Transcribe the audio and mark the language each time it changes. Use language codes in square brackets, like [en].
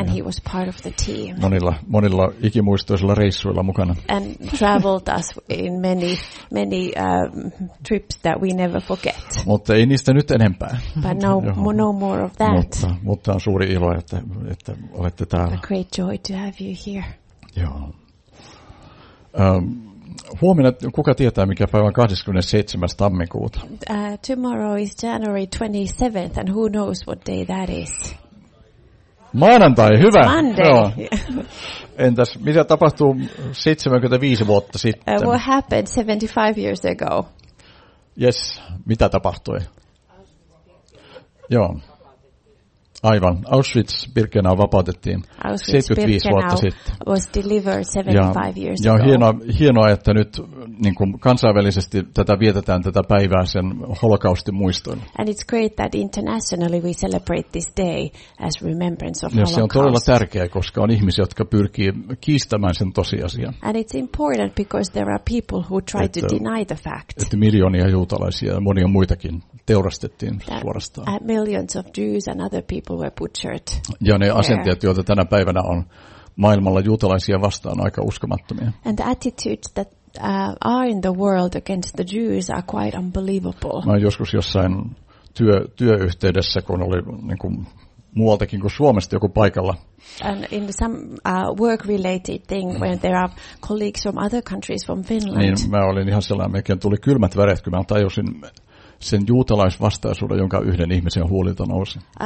[en] And he was part of the team. [fi] Monilla ikimuistoisilla reissuilla mukana. [en] And traveled us in many trips that we never forget. [fi] Mutta ei niistä nyt enempää. [en] But no more of that. [fi] Mutta on suuri ilo, että olette täällä. [en] A great joy to have you here. [fi] Joo. Huomenna, kuka tietää, mikä päivä on 27. tammikuuta? [en] Tomorrow is January 27th, and who knows what day that is? [fi] Maanantai, hyvä! [en] It's Monday! Joo. [fi] Entäs, mitä tapahtuu 75 vuotta sitten? [en] What happened 75 years ago? [fi] Yes, mitä tapahtui? Joo. Aivan. Auschwitz-Birkenau vapautettiin [en] Auschwitz [fi] 75 vuotta sitten. [en] Was delivered 75 years ago. [fi] Ja on hienoa, että nyt niin kuin kansainvälisesti tätä vietetään tätä päivää sen holokaustin muistoon. [en] And it's great that internationally we celebrate this day as remembrance of Holocaust. [fi] Ja se on todella tärkeää, koska on ihmisiä, jotka pyrkii kiistämään sen tosiasian. [en] And it's important because there are people who try to deny the fact. [fi] Että miljoonia juutalaisia ja monia muitakin teurastettiin suorastaan. [en] That millions of Jews and other people were butchered. [fi] Ja ne asenteet, joita tänä päivänä on maailmalla juutalaisia vastaan, aika uskomattomia. [en] And the attitudes that are in the world against the Jews are quite unbelievable. [fi] Mä joskus jossain työyhteydessä, kun oli niin kuin muualtakin kuin Suomesta joku paikalla. [en] And in some work-related thing, when there are colleagues from other countries, from Finland. [fi] Niin mä olin ihan sellainen, mekin tuli kylmät väret, kun mä tajusin sen juutalaisvastaisuuden, jonka yhden ihmisen huulilta nousi.